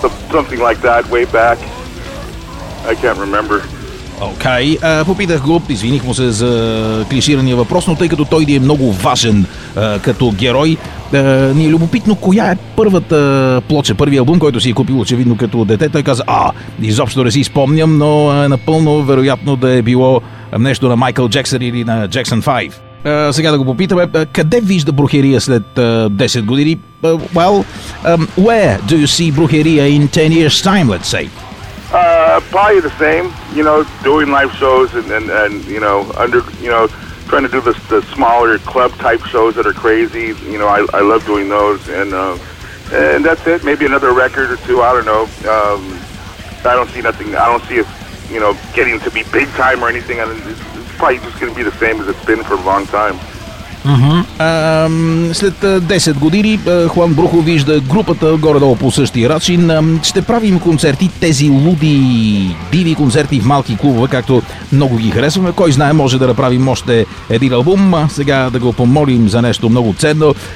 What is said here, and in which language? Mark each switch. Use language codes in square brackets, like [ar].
[en] Something like that, way back, I can't remember. [bg] Окей, попитах го, извиних му се за клиширания въпрос, но тъй като той ни е много важен като герой, ни е любопитно коя е първата плоча, първият албум, който си е купил очевидно като дете. Той каза, изобщо не си спомням, но е напълно вероятно да е било нещо на Майкъл Джексън или на Jackson 5. Сега да го попитаме, къде вижда Брухерия след 10 години? [en] Where do you see Брухерия in 10 years time, let's say? Probably the same, you know, doing live shows and you know, under, you know, trying to do the smaller club type shows that are crazy. You know, I love doing those, and that's it. Maybe another record or two, I don't know. I don't see nothing. I don't see it, you know, getting to be big time or anything. I mean, it's probably just going to be the same as it's been for a long time. Mm-hmm. [bg] След 10 години Хуан Брухо вижда групата горе-долу по същия начин. Ще правим концерти, тези луди диви концерти в малки клубове, както много ги харесваме. Кой знае, може да направим още един албум. Сега да го помолим за нещо много ценно.